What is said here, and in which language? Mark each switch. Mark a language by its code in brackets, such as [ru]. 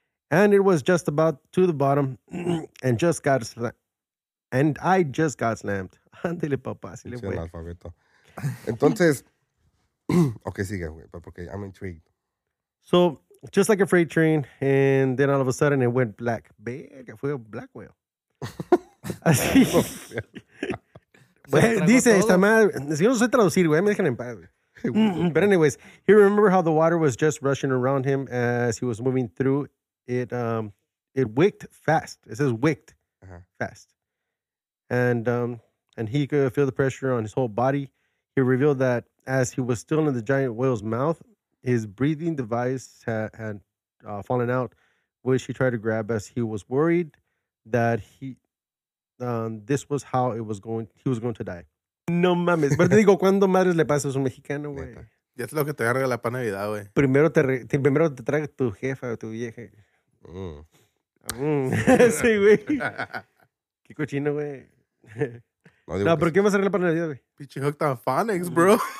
[en] And it was just about to the bottom and just got slammed. And I just got slammed. [es] Ándele, papá, si le puede. El alfabeto. Entonces, okay, sigue, güey, porque [en] I'm intrigued. So, just like a freight train, and then all of a sudden it went black. [es] Verga, fue black whale. Así. Well, dice, esta madre, si yo no sé traducir, güey, me dejan en paz, güey. [en] But anyways, he remembered how the water was just rushing around him as he was moving through it. It wicked fast. It says wicked fast. And he could feel the pressure on his whole body. He revealed that as he was still in the giant whale's mouth, his breathing device had fallen out, which he tried to grab as he was worried that he was going to die. [es] No mames. Pero te digo, ¿cuándo madres le pasas a un mexicano, güey? Ya es lo que te agarra la pan Navidad, güey. Primero te traga tu jefa o tu vieja. Sí, güey. Qué cochino, güey. No, ¿pero qué va a hacer la pan Navidad, güey? [en] Pinche hooked on phonics, bro.